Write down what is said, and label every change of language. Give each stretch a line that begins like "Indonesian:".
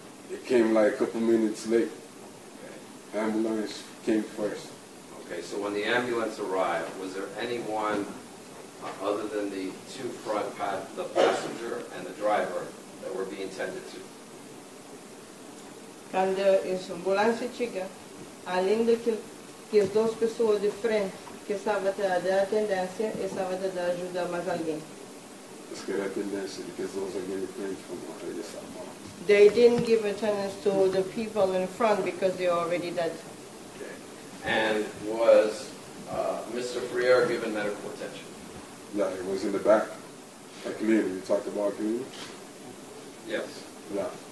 English: It came like a couple minutes late. Okay. Ambulance came first. Okay, so when the ambulance arrived, was there anyone other than the two front the passenger and the driver that were being tended to?
Portuguese: Quando essa ambulância chega, além que as duas pessoas de frente que estava a dar atendência, estava a dar ajuda a mais alguém. Os que eram atendência de pessoas ali de frente foram atendidos.
English: They didn't give attendance to the people in front because they already dead. And was Mr. Freer given medical attention? No, he was in the back. Like me, you talked about him. Yes. Yeah.